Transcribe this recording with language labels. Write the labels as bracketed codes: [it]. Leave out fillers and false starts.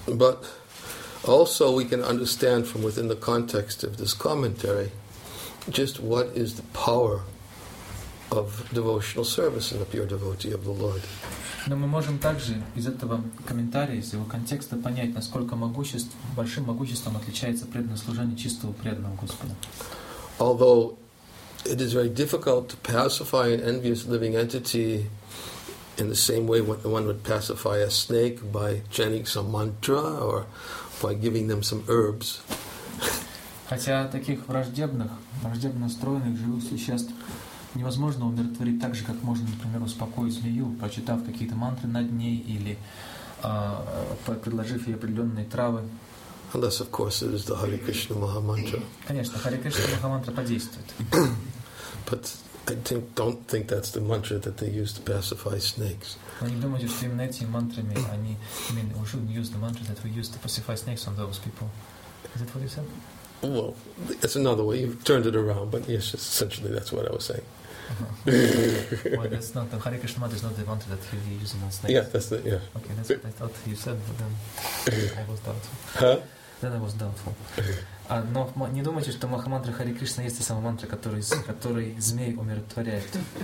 [en] But also, we can understand from within the context of this commentary just what is the power of devotional service in the pure devotee of the Lord. [ru] Но мы можем также из этого комментария, из его контекста понять, насколько большим могуществом отличается преданное служение чистого преданного Господа. [en] Although it is very difficult to pacify an envious living entity in the same way what one would pacify a snake by chanting some mantra or by giving them some herbs. [ru] Хотя таких враждебно настроенных живых существ невозможно умиротворить так же, как можно, например, успокоить змею, прочитав какие-то мантры над ней или предложив ей определенные травы. [en] Unless, of course, it is the Hare Krishna Mahamantra. [ru] Конечно, Hare Krishna Mahamantra подействует. [en] But I don't think that's the mantra that they use to pacify snakes. [ru] Но не думайте, что именно этими мантрами они именно уже не [en] use the mantra that we use to pacify snakes on those people. Is that what you said? Well, it's another way. You've turned it around, but yes, essentially that's what I was saying. Well, that's not the Hare Krishna mantra. Is not the mantra that we use on snakes. Yeah, that's the Okay, that's what I thought you said, but then I was doubtful. Huh? Then I was doubtful. [ru] Но не думайте, что Махамантра Хари Кришна есть та самая мантра, которой змей умиротворяет.